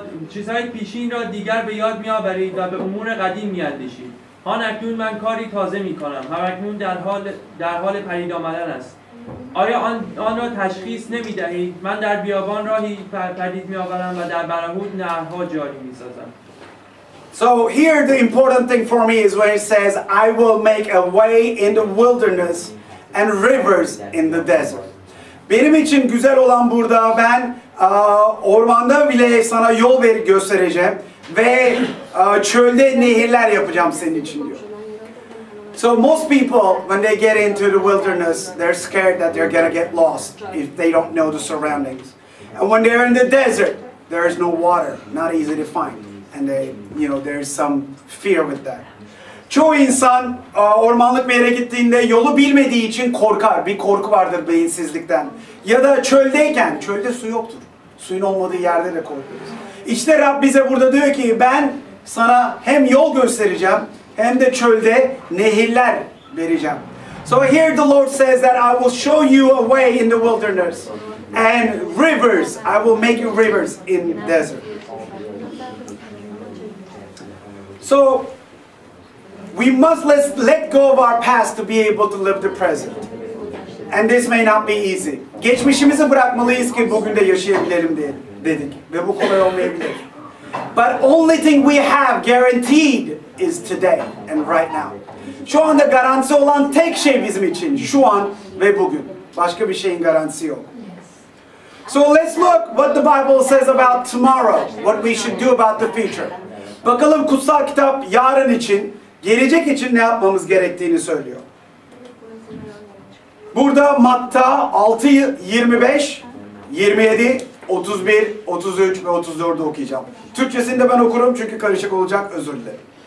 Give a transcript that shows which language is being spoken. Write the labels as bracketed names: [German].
[Persian] چیزهای پیشین را دیگر می آورید و به امور قدیم می اندیشید. هان اکنون من کاری تازه می کنم. هم اکنون در حال پدید آمدن است. آیا آن را تشخیص نمی دهید؟ من در بیابان راهی پدید می آورم و در برهوت نهرها جاری می سازم. [English] So here the important thing for me is when it says I will make a way in the wilderness and rivers in the desert. [Turkish] Benim için güzel olan burada ben ormanda bile sana yol verip göstereceğim ve çölde nehirler yapacağım senin için diyor. [English] So most people when they get into the wilderness they're scared that they're gonna get lost if they don't know the surroundings. And when they're in the desert there is no water, not easy to find. And they, you know, there's some fear with that. [Turkish] Çoğu insan ormanlık bir yere gittiğinde yolu bilmediği için korkar. Bir korku vardır beyinsizlikten. Ya da çöldeyken, çölde su yoktur. Suyun olmadığı yerde de korkuyoruz. İşte Rab bize burada diyor ki ben sana hem yol göstereceğim hem de çölde nehirler vereceğim. [English] So here the Lord says that I will show you a way in the wilderness and rivers. I will make you rivers in desert. So we must let go of our past to be able to live the present. And this may not be easy. [Turkish] Geçmişimizi bırakmalıyız ki bugün de yaşayabilirim diye dedik. Ve bu kolay olmayabilir. [English] But only thing we have guaranteed is today and right now. [Turkish] Şu anda garanti olan tek şey bizim için şu an ve bugün. Başka bir şeyin garantisi yok. [English] So let's look what the Bible says about tomorrow, what we should do about the future. [Turkish] Bakalım kutsal kitap yarın için, gelecek için ne yapmamız gerektiğini söylüyor. Burada Matta 6:25, 27, 31, 33 ve 34'ü okuyacağım. Türkçesini de ben okurum çünkü karışık olacak, özür dilerim.